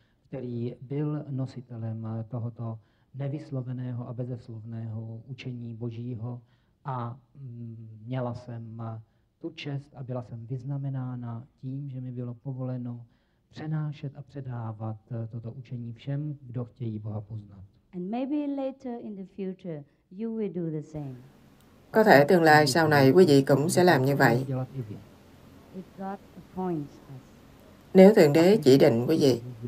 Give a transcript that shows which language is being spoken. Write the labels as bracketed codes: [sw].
[cs] Který byl nositelem tohoto nevysloveného a bezeslovného učení Božího a měla jsem tu čest a byla jsem vyznamenána tím, že mi bylo povoleno přenášet a předávat toto učení všem, kdo chtějí Boha poznat. [en] And maybe later in the future you will do the same. [vi] Có thể tương lai sau này quý vị cũng sẽ làm như vậy. [en] If God appoints us. [vi] Nếu Thượng Đế chỉ định quý vị.